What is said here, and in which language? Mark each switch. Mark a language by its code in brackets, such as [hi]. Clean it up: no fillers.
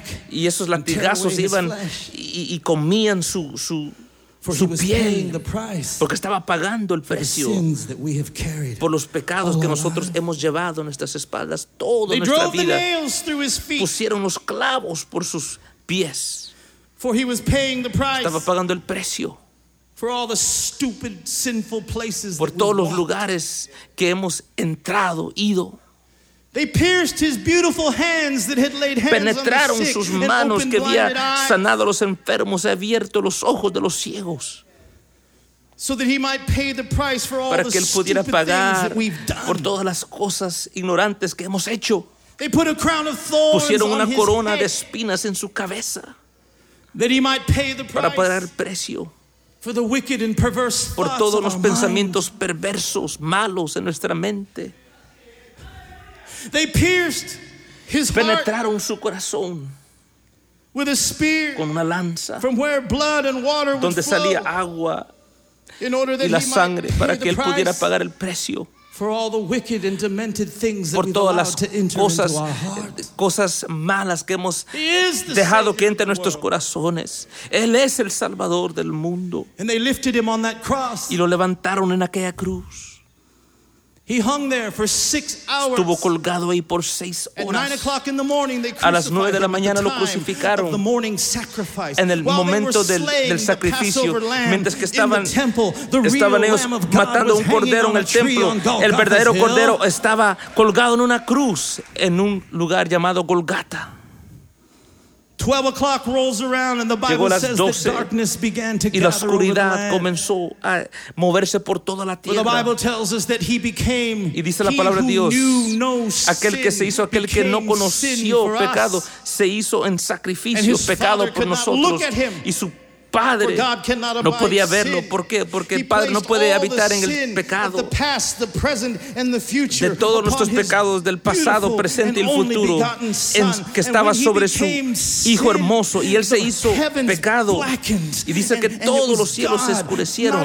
[es] Y esos latigazos iban y comían su piel, porque estaba pagando el precio por los pecados que nosotros hemos llevado en nuestras espaldas toda nuestra vida. Pusieron los clavos por sus pies. Estaba pagando el precio. [en] For all the stupid, sinful places. [es] Por todos los lugares que hemos entrado, ido. [en] They pierced his beautiful hands that had laid hands on the sick. [es] Penetraron sus manos que había sanado a los enfermos, ha abierto los ojos de los ciegos. [en] So that he might pay the price for all the stupid things that we've done. [es] Por todas las cosas ignorantes que hemos hecho. [en] They put a crown of thorns on his head. [es] Pusieron una corona de espinas en su cabeza. [en] That he might pay the price. [es] Para pagar el precio. [en] For the wicked and perverse thoughts. [es] Por todos los pensamientos perversos, malos en nuestra mente. [en] They pierced his heart. [es] Penetraron su corazón. [en] With a spear. [es] Con una lanza. [en] From where blood and water would flow. [es] Donde salía agua. [en] In order that [es] y la sangre para que él pudiera pagar el precio. [en] For all the wicked and demented things that we've allowed to enter into our hearts. [es] Cosas malas que hemos dejado que entre nuestros corazones. Él es el Salvador del mundo. [en] And they lifted him on that cross. [es] Y lo levantaron en aquella cruz. [en] He hung there for 6 hours. [es] Estuvo colgado ahí por 6 horas. [en] At 9 o'clock in the morning, they crucified [es] him. A las 9 de la mañana lo crucificaron. [en] At the morning sacrifice. [es] En el momento del sacrificio, mientras que estaban ellos matando un cordero en el templo, el verdadero cordero estaba colgado en una cruz en un lugar llamado Golgata. [en] 12 o'clock rolls around, and the Bible says the darkness began to gather over the land. [es] Y la oscuridad comenzó a moverse por toda la tierra. [en] The Bible tells us that he became. [es] Y dice la palabra de Dios. Aquel que se hizo, aquel que no conoció pecado, se hizo en sacrificio pecado por nosotros. Y su Padre no podía verlo. ¿Por qué? Porque el Padre no puede habitar en el pecado de todos nuestros pecados del pasado, presente y el futuro en que estaba sobre su Hijo hermoso, y Él se hizo pecado, y dice que todos los cielos se oscurecieron.